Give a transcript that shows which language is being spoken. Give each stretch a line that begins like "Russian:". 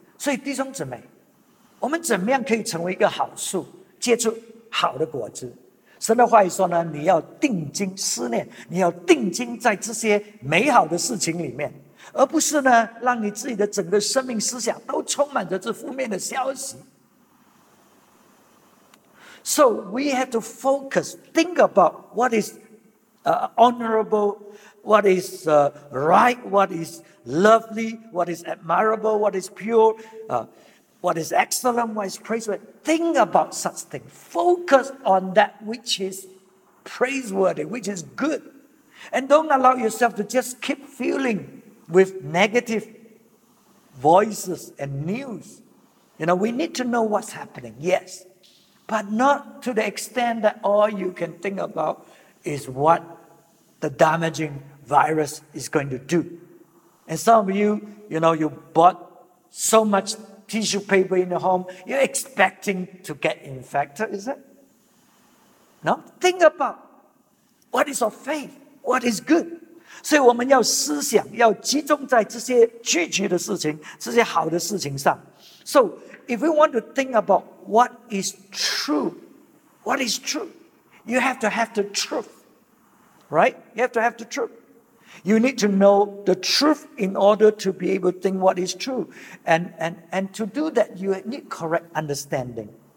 Chinese: 所以弟兄姊妹，我们怎么样可以成为一个好树，结出好的果子？神的话语说呢，你要定睛思念，你要定睛在这些美好的事情里面，而不是呢让你自己的整个生命思想都充满着这负面的消息。
English: So we have to focus, think about what is honorable, what is right, what is lovely, what is admirable, what is pure, what is excellent, what is praiseworthy. Think about such things. Focus on that which is praiseworthy, which is good. And don't allow yourself to just keep filling with negative voices and news. You know, we need to know what's happening, yes. But not to the extent that all you can think about is what the damaging virus is going to do. And some of you, you know, you bought so much tissue paper in the home, you're expecting to get infected, is it? No? Think about what is of faith, what is good.
Chinese: 所以我们要思想，要集中在这些积极的事情，这些好的事情上。
English: So, if we want to think about what is true, you have to have the truth. Right? You have to have the truth. You need to know the truth in order to be able to think what is true. And to do that, you need correct understanding.